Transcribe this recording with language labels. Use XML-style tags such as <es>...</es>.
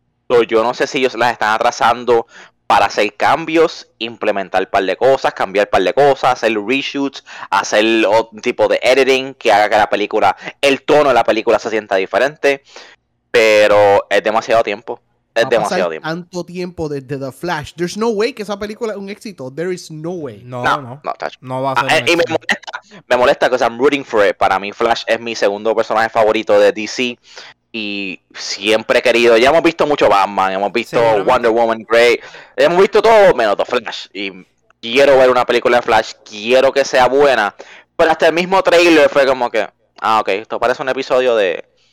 <es>So, yo no sé si ellos las están atrasando para hacer cambios, implementar un par de cosas, cambiar un par de cosas, hacer reshoots, hacer otro tipo de editing que haga que la película, el tono de la película se sienta diferente. Pero es demasiado tiempo. Tanto tiempo desde The Flash.</es> <en>There's no way</en> <es>que esa película es un éxito.</es> <en>There is no way.</en> <es>No va a ser. Y me molesta que</es> <en>I'm rooting for it.</en> <es>Para mí, Flash es mi segundo personaje favorito de DC. Y siempre he querido. Ya hemos visto mucho Batman, hemos visto Wonder Woman, Grey. Hemos visto todo menos The Flash. Y quiero ver una película de Flash. Quiero que sea buena. Pero hasta el mismo trailer fue como que, ah, ok, esto parece un episodio de</es>